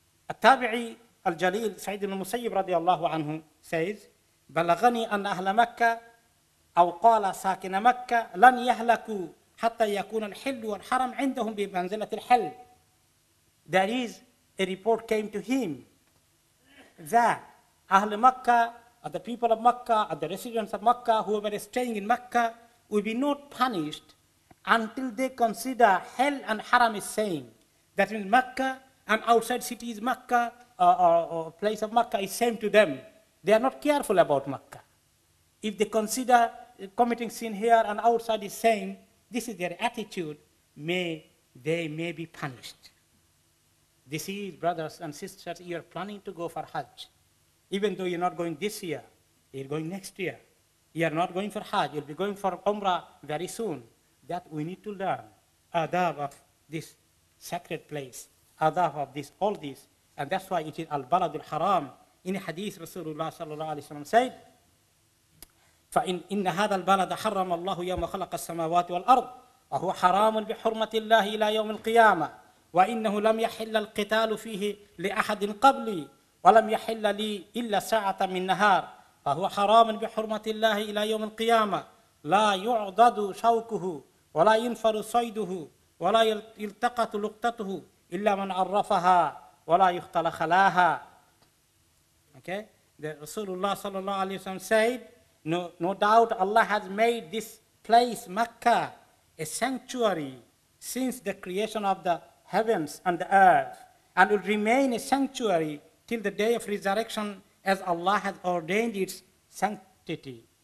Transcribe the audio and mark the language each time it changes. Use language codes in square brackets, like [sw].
[ar] التابعي الجليل سعيد بن المسيب رضي الله عنه says, بلغني أن أهل مكة أو قال ساكن مكة لن يهلكوا حتى يكون الحل والحرم عندهم بمنزلة الحل. [en] There is a report came to him that Ahl Makkah, or the people of Makkah, or the residents of Makkah, whoever is staying in Makkah, will be not punished until they consider hell and haram is same. That means Makkah and outside cities, Makkah or place of Makkah is same to them. They are not careful about Makkah. If they consider committing sin here and outside is same, this is their attitude, they may be punished. This is, brothers and sisters, you are planning to go for Hajj. Even though you're not going this year, you're going next year. You are not going for Hajj, you'll be going for Umrah very soon. That we need to learn, adab of this sacred place, adab of this, all this. And that's why it is al-baladul haram. [ar] In hadith, Rasulullah sallallahu alayhi wa sallam said, فَإِنَّ هَذَا الْبَلَدَ حَرَّمَ اللَّهُ يَوْمَ خَلَقَ السَّمَاوَاتِ وَالْأَرْضِ وَهُوَ حَرَامٌ بِحُرْمَةِ اللَّهِ إِلَى يَوْمِ الْقِيَامَةِ وإنه لم يحل القتال فيه لأحد قبلي ولم يحل لي إلا ساعة من نهار فهو حرام بحرمة الله إلى يوم القيامة لا يعضد شوكه ولا ينفر صيده ولا يلتقط لقطته إلا من عرفها ولا يختل خلاها. [en] Okay, the Rasulullah sallallahu alayhi wa sallam said, no doubt Allah has made this place Mecca a sanctuary since the creation of the heavens and the earth, and will remain a sanctuary till the day of resurrection as Allah has ordained its sanctity.